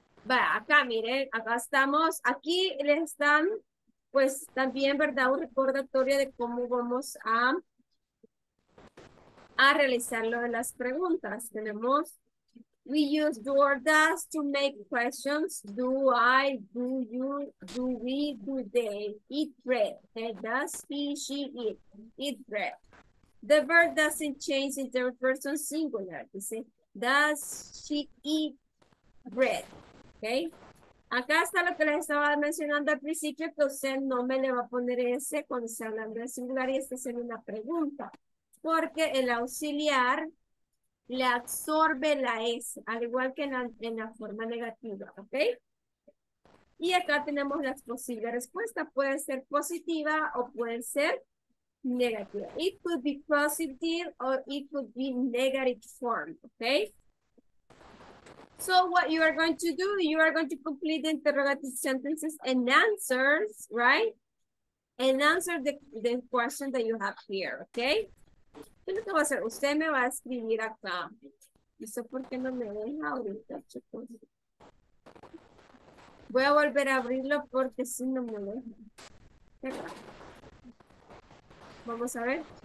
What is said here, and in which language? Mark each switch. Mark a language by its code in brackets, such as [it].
[es] Va, acá miren, acá estamos. Aquí les están, pues, también, ¿verdad? Un recordatorio de cómo vamos a realizar lo de las preguntas. Tenemos, [en] we use do or does to make questions. Do I, do you, do we, do they, eat bread. Okay, does he, she, eat, eat bread. The verb doesn't change in third person singular. You see, does she eat bread. Okay. [es] Acá está lo que les estaba mencionando al principio, que usted no me le va a poner ese cuando se habla en singular y está haciendo una pregunta. Porque el auxiliar le absorbe la S, al igual que en la forma negativa, ¿ok? Y acá tenemos las posibles respuestas. Puede ser positiva o puede ser negativa. [en] It could be positive or it could be negative form, ¿ok? So what you are going to do, you are going to complete the interrogative sentences and answers, right? And answer the question that you have here, ¿ok? [es] ¿Qué lo que va a hacer? Usted me va a escribir acá. No sé por qué no me deja ahorita, chicos. Voy a volver a abrirlo porque si no me deja. Qué raro. Vamos a ver.